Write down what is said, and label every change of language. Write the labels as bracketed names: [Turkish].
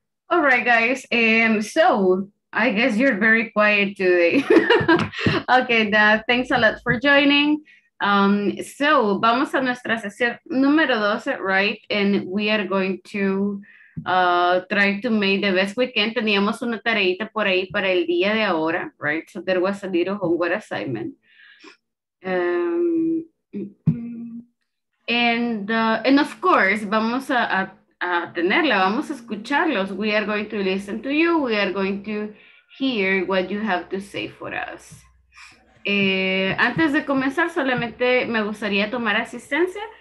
[English] All right, guys. So I guess you're very quiet today. Okay, thanks a lot for joining. So [Spanish] vamos a nuestra sesión número 12, [English] right? And we are going to try to make the best we can. [Spanish] Teníamos una tareita por ahí para el día de ahora, right? [English] So there was a little homework assignment. And of course, [Spanish] vamos a tenerla, vamos a escucharlos. [English] We are going to listen to you. We are going to hear what you have to say for us. [Spanish] Antes de comenzar, solamente me gustaría tomar asistencia.